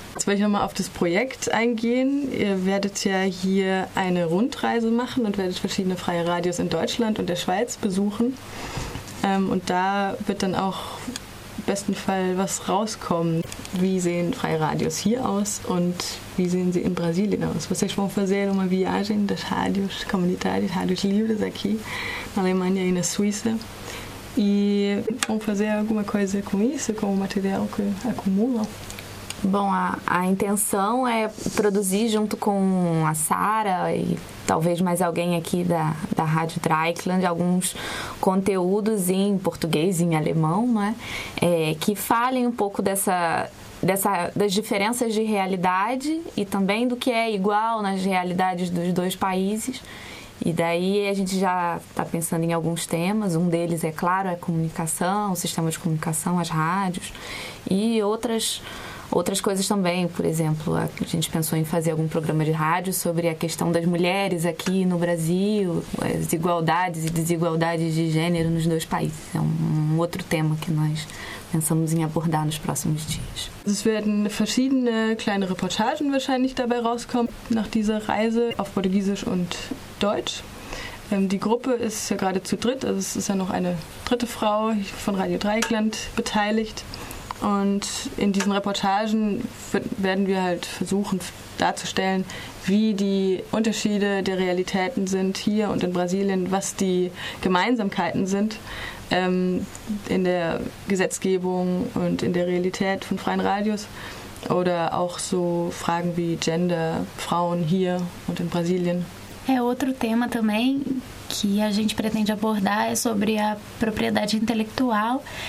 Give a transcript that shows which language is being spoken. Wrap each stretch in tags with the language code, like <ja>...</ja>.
<de>Jetzt will ich nochmal auf das Projekt eingehen. Ihr werdet ja hier eine Rundreise machen und werdet verschiedene freie Radios in Deutschland und der Schweiz besuchen. Und da wird dann auch im besten Fall was rauskommen. Wie sehen freie Radios hier aus und wie sehen sie in Brasilien aus?</de> <pt>Vocês vão fazer uma viagem das rádios comunitárias, rádios livres aqui na Alemanha e na Suíça. E vão fazer alguma coisa com isso, com o material que acumulam? Bom, a intenção é produzir junto com a Sara e talvez mais alguém aqui da Rádio Dreieckland alguns conteúdos em português e em alemão, né? Que falem um pouco das diferenças de realidade e também do que é igual nas realidades dos dois países. E daí a gente já está pensando em alguns temas. Um deles, é claro, é comunicação, o sistema de comunicação, as rádios e outras coisas também. Por exemplo, a gente pensou em fazer algum programa de rádio sobre a questão das mulheres aqui no Brasil, as igualdades e desigualdades de gênero nos dois países. É um outro tema que nós pensamos em abordar nos próximos dias.</pt> <de>Es werden verschiedene kleine Reportagen wahrscheinlich dabei rauskommen nach dieser Reise auf Portugiesisch und Deutsch. Die Gruppe ist ja gerade zu dritt, also es ist ja noch eine dritte Frau von Radio Dreieckland beteiligt. Und in diesen Reportagen werden wir halt versuchen darzustellen, wie die Unterschiede der Realitäten sind hier und in Brasilien, was die Gemeinsamkeiten sind in der Gesetzgebung und in der Realität von freien Radios oder auch so Fragen wie Gender, Frauen hier und in Brasilien.</de> <pt>É outro tema também que a gente pretende abordar, é sobre a propriedade intelectual.</pt>